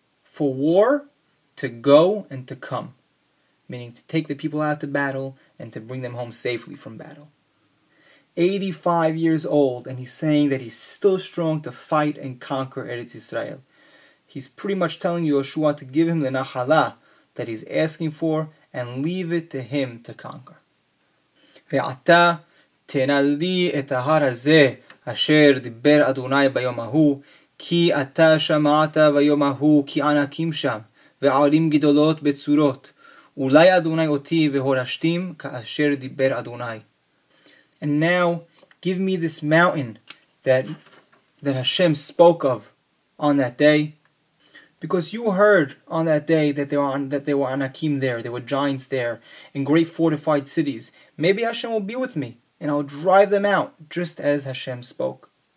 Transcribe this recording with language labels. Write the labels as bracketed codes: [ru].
[en] For war, to go and to come. Meaning to take the people out to battle and to bring them home safely from battle. 85 years old, and he's saying that he's still strong to fight and conquer Eretz Israel. He's pretty much telling Yoshua to give him the Nahala that he's asking for and leave it to him to conquer. [he] Ve'ata, תנאלי את ההר הזה אשר דיבר אדוני ביום ההוא, כי אתה שמעת ביום ההוא כי ענקים שם, וערים גדולות בצורות. אולי אדוני אותי והורשתים כאשר דיבר אדוני. [en] And now, give me this mountain that Hashem spoke of on that day, because you heard on that day that there were ענקים there were giants there, and great fortified cities. Maybe Hashem will be with me, and I'll drive them out, just as Hashem spoke.